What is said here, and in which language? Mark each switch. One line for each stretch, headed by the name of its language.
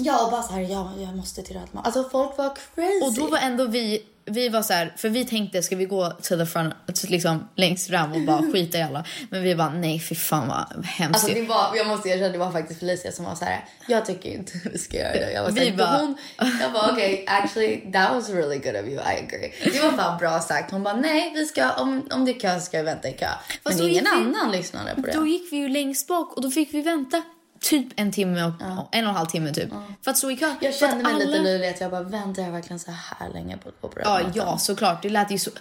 Swedish: Ja, och bara så här, ja, jag måste till Rödmannen. Alltså folk var crazy. Och då var ändå vi var så här, för vi tänkte, ska vi gå till
English: the front,
Swedish: liksom längst fram och bara skita i alla. Men vi bara, nej fy fan vad hemskt. Alltså det var, jag måste erkänna, det var faktiskt Felicia som var så här, jag tycker inte vi ska göra det. Jag var vi så här, bara... Hon, jag bara, okej,
English: okay, actually, that was really good of you, I agree.
Swedish: Det var bara bra sagt. Hon bara, nej, vi ska, om det är kö så ska vi vänta i kö. Men fast ingen annan lyssnade på det. Då gick vi ju längst bak och då fick vi vänta typ en timme och en och en halv timme typ. För att så i kö. Jag kände mig lite lurig att jag bara väntar jag verkligen så här länge på Rödmattan. Ja, såklart. Det lät ju så,